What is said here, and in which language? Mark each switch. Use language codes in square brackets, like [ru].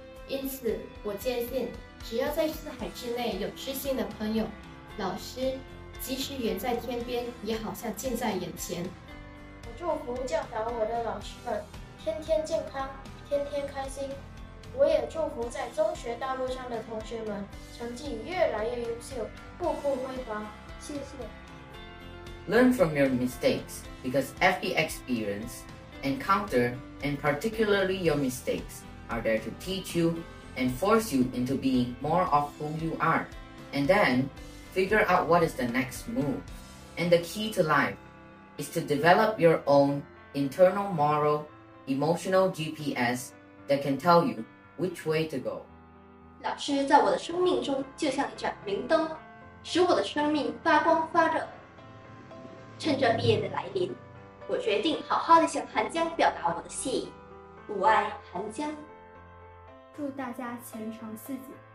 [zh] 因此我坚信，只要在四海之内有知心的朋友老师，即使远在天边也好像近在眼前。我祝福教导我的老师们天天健康，天天开心。我也祝福在中学道路上的同学们成绩越来越优秀，步步辉煌。谢谢。 [en] Learn from your mistakes, because every experience, encounter, and particularly your mistakes are there to teach you and force you into being more of who you are, and then figure out what is the next move. And the key to life is to develop your own internal moral, emotional GPS that can tell you which way to go. [zh] 老师在我的生命中就像一盏明灯，使我的生命发光发热。趁着毕业的来临，我决定好好地向韩江表达我的谢意。吾爱韩江。祝大家前程似锦。